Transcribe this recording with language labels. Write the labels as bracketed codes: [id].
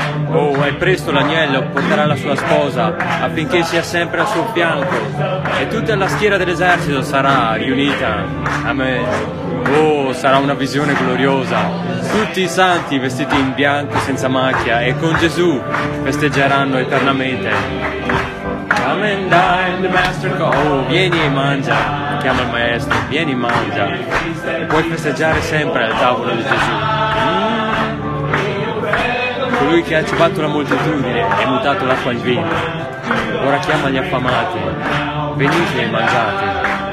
[it] Oh, è presto l'agnello porterà la sua sposa affinché sia sempre al suo fianco e tutta la schiera dell'esercito sarà riunita. Amen. Oh, sarà una visione gloriosa. Tutti i santi vestiti in bianco senza macchia e con Gesù festeggeranno eternamente. [en] Come and dine, the master call. [it] Oh, vieni e mangia, chiama il maestro, vieni e mangia. E puoi festeggiare sempre al tavolo di Gesù. Colui che ha cibato la moltitudine e mutato l'acqua in vino. Ora chiama gli affamati, venite e mangiate.